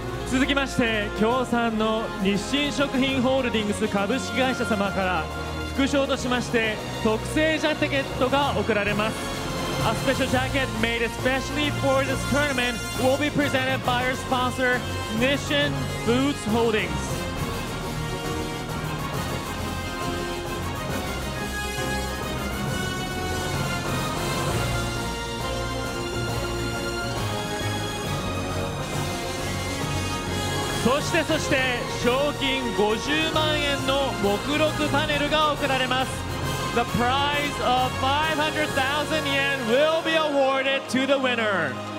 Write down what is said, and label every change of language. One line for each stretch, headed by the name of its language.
Japanese: 続きまして共産の日清食品ホールディングス株式会社様から副賞としまして特製ジャケットが贈られます。
English: A special jacket made especially for this tournament will be presented by our sponsor Nissin Foods Holdings。
Japanese: そして賞金50万円の目録パネルが贈られます。
English: The prize of 500,000 yen will be awarded to the winner。